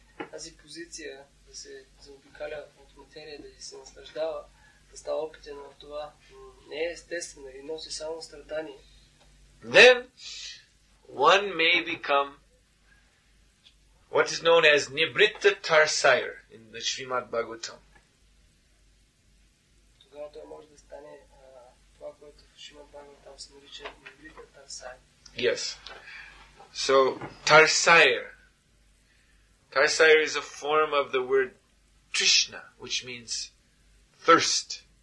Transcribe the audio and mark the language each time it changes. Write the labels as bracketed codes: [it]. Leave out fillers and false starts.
[bg] Тази позиция да се заобикаля от материя, да се наслаждава, да става опитен в това, не е естествено и носи само страдание. [en] Then one may become what is known as nibritta tarsayar in the Shrimad Bhagavatam. [bg] Тогава той може да стане това, което в Шримад Бхагаватам се нарича nibritta tarsayar. [en] Yes. So tarsayar. Tarsayar is a form of the word Trishna, which means thirst.